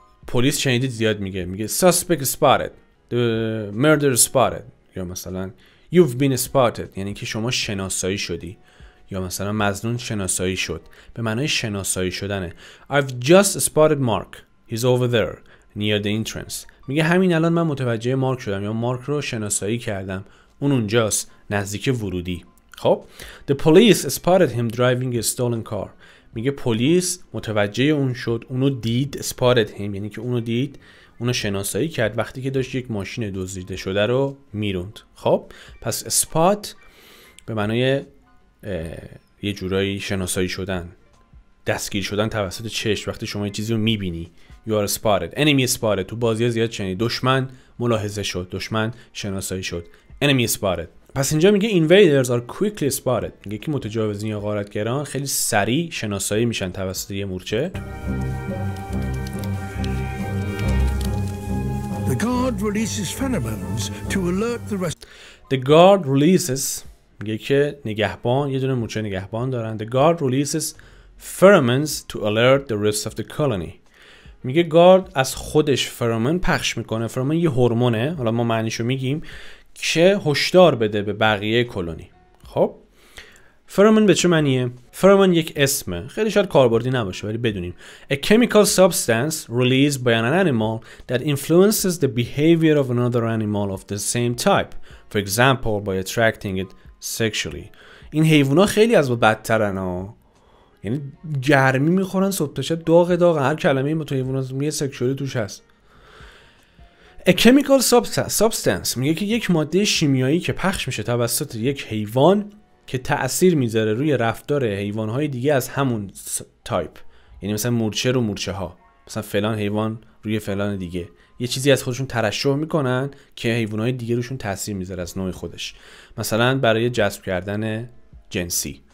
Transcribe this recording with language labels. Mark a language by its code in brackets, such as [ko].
[fa] پلیس شنیدید زیاد میگه، میگه [en] suspect spotted، the murder spotted، [fa] یا مثلا [en] you've been spotted، [fa] یعنی که شما شناسایی شدی، یا مثلا مظنون شناسایی شد، به معنای شناسایی شدنه. [en] I've just spotted Mark. He's over there near the entrance. [fa] میگه همین الان من متوجه مارک شدم، یا مارک رو شناسایی کردم، اون اونجاست نزدیک ورودی. [en] خب the police spotted him driving a stolen car. [fa] میگه پلیس متوجه اون شد، اونو دید، [en] spotted him [fa] یعنی که اونو دید، اونو شناسایی کرد وقتی که داشت یک ماشین دزدیده شده رو میروند. خب پس spot به معنای یه جورایی شناسایی شدن، دستگیر شدن توسط چشم، وقتی شما یه چیزی رو میبینی. [en] You are spotted. Enemy spotted. [fa] تو بازی زیاد چنین دشمن ملاحظه شد، دشمن شناسایی شد. [en] Enemy spotted. [fa] پس اینجا میگه [en] invaders are quickly spotted. [fa] میگه که متجاوزین یا غارتگران خیلی سریع شناسایی میشن توسط یه مورچه. [en] The guard releases pheromones to alert the rest. The guard releases. [fa] میگه که نگهبان، یه دونه مورچه نگهبان دارن. [en] The guard releases pheromones to alert the rest of the colony. [fa] میگه گارد از خودش فرومن پخش میکنه. فرومن یه هورمونه، حالا ما معنیشو میگیم، که هشدار بده به بقیه کلونی. خب فرومن به چه معنیه؟ فرومن یک اسمه، خیلی شاید کاربردی نباشه ولی بدونیم. [en] A chemical substance released by an animal that influences the behavior of another animal of the same type, for example by attracting it sexually. [fa] این حیوانا خیلی از ما بدترن ها، یعنی گرمی میخورن صبح تا شب، داغ داغ، هر کلمه ایم تو حیوان از میه سکشوری توش هست. [en] A chemical substance [fa] میگه که یک ماده شیمیایی که پخش میشه توسط یک حیوان که تأثیر میذاره روی رفتار حیوانهای دیگه از همون تایپ، یعنی مثلا مورچه رو مورچه ها، مثلا فلان حیوان روی فلان دیگه، یه چیزی از خودشون ترشح میکنن که حیوانهای دیگه روشون تأثیر میذاره از نوع خودش، مثلا برای جذب کردن جنسی.